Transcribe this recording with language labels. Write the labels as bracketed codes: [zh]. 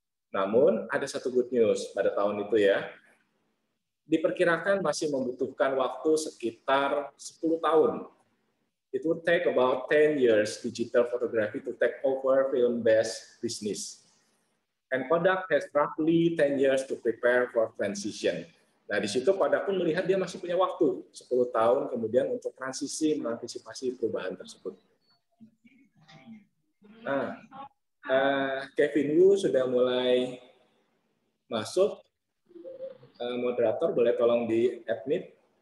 [id] Namun ada satu [en] good news [id] pada tahun itu ya, diperkirakan masih membutuhkan waktu sekitar 10 tahun. [en] It would take about 10 years digital photography to take over film-based business. And Kodak has roughly 10 years to prepare for transition. [id] Nah, di situ Kodak pun melihat dia masih punya waktu 10 tahun kemudian untuk transisi mengantisipasi perubahan tersebut. Nah, Kevin Wu sudah mulai masuk. Moderator, boleh tolong di-admit.